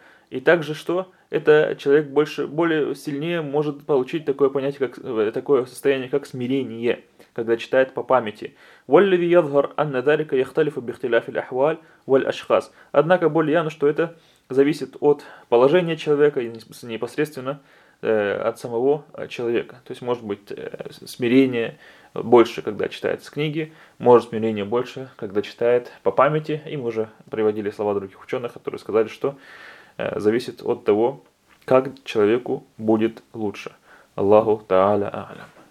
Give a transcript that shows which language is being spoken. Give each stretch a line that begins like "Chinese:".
Russian: И также что? Это человек более сильнее может получить такое понятие, как такое состояние, как смирение, когда читает по памяти.
Arabic: والذي يظهر أن ذلك يختلف باختلاف الأحوال والأشخاص.
Russian: Однако более явно, что это зависит от положения человека и непосредственно от самого человека. То есть может быть смирение больше, когда читает с книги, может смирение больше, когда читает по памяти. И мы уже приводили слова других ученых, которые сказали, что зависит от того, как человеку будет лучше. Аллаху тааля а'лям.